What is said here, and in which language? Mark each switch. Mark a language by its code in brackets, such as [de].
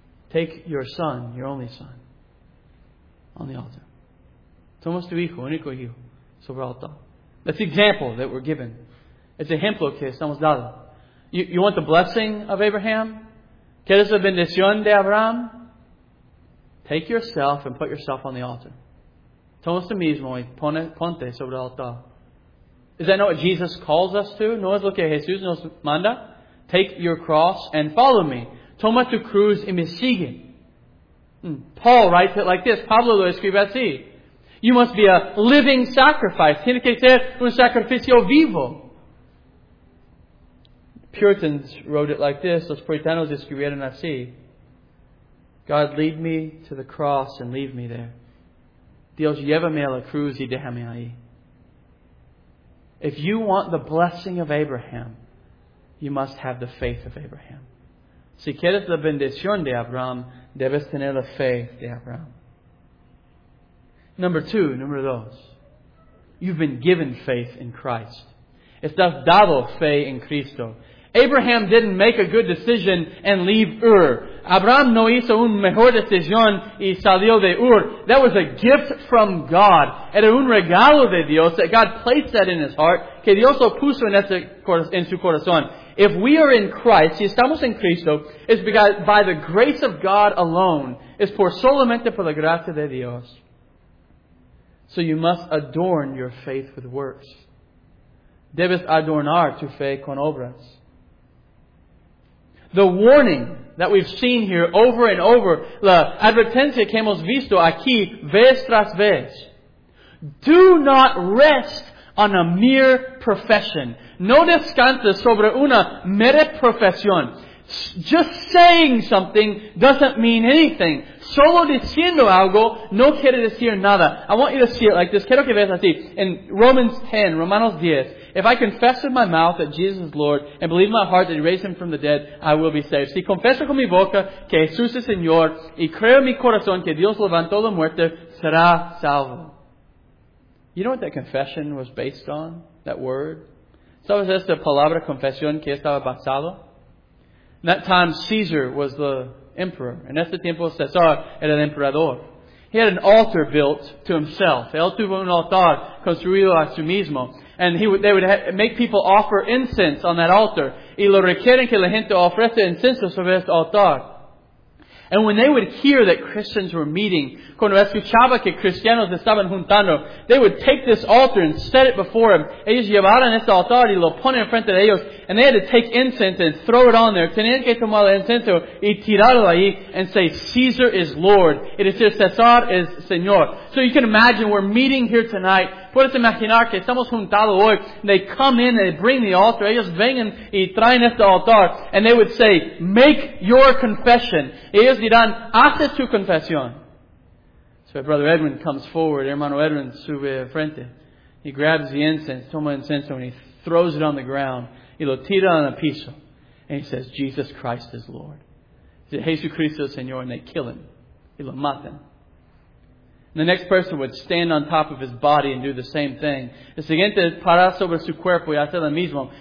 [en] Take your son, your only son, on the altar. [es] Tomas tu hijo, único hijo. sobre alto. [en] That's the example that we're given. [es] Es ejemplo que estamos dando. [en] You want the blessing of Abraham? [es] ¿Quieres la bendición de Abraham? [en] Take yourself and put yourself on the altar. [es] Toma tú mismo y ponte sobre el altar. [en] Is that not what Jesus calls us to? [es] ¿No es lo que Jesús nos manda? [en] Take your cross and follow me. [es] Toma tu cruz y me sigue. [en] Paul writes it like this. [es] Pablo lo escribe así. [en] You must be a living sacrifice. [es] Tiene que ser un sacrificio vivo. [en] Puritans wrote it like this. [es] Los puritanos escribieron así. [en] God, lead me to the cross and leave me there. [es] Dios, llévame a la cruz y déjame ahí. [en] If you want the blessing of Abraham, you must have the faith of Abraham. [es] Si quieres la bendición de Abraham, debes tener la fe de Abraham. Número dos. [en] You've been given faith in Christ. [es] Estás dado fe en Cristo. [en] Abraham didn't make a good decision and leave Ur. [es] Abraham no hizo un mejor decisión y salió de Ur. [en] That was a gift from God. [es] Era un regalo de Dios [en] that God placed that in his heart, [es] que Dios lo puso en su corazón. [en] If we are in Christ, [es] si estamos en Cristo, [en] it's because by the grace of God alone. [es] Es por solamente por la gracia de Dios. [en] So you must adorn your faith with works. [es] Debes adornar tu fe con obras. [en] The warning that we've seen here over and over, [es] la advertencia que hemos visto aquí vez tras vez. [en] Do not rest on a mere profession. [es] No descanses sobre una mera profesión. [en] Just saying something doesn't mean anything. [es] Solo diciendo algo no quiere decir nada. [en] I want you to see it like this. [es] Quiero que veas así. [en] In Romanos 10, if I confess with my mouth that Jesus is Lord and believe in my heart that He raised Him from the dead, I will be saved. [es] Si confieso con mi boca que Jesús es Señor y creo en mi corazón que Dios levantó la muerte, será salvo. [en] You know what that confession was based on? That word? [es] ¿Sabes esta palabra confesión que estaba basado? [en] In that time, Caesar was the emperor. [es] En este tiempo, César era el emperador. [en] He had an altar built to himself. [es] Él tuvo un altar construido a sí mismo. [en] And they would make people offer incense on that altar. [es] Y lo requieren que la gente ofrece incense sobre este altar. [en] And when they would hear that Christians were meeting, [es] cuando escuchaba que cristianos estaban juntando, [en] they would take this altar and set it before him. [es] Ellos llevaron este altar y lo ponen enfrente de ellos. [en] And they had to take incense and throw it on there. [es] Tenían que tomar el incenso y tirarlo ahí [en] and say, Caesar is Lord. It is here, [es] César es Señor. [en] So you can imagine we're meeting here tonight. [es] Puedes imaginar que estamos juntados hoy. [en] They come in and they bring the altar. [es] Ellos vengan y traen este altar. [en] And they would say, make your confession. [es] Ellos dirán, hace tu confesión. [en] So Brother Edwin comes forward. [es] Hermano Edwin sube al frente. [en] He grabs the incense, [es] toma incenso, [en] and he throws it on the ground. [es] Y lo tira en el piso. [en] And he says, Jesus Christ is Lord. He says, [es] Jesucristo es Señor. [en] And they kill him. [es] Y lo matan. [en] The next person would stand on top of his body and do the same thing. [es] El siguiente para sobre su cuerpo y hace lo mismo.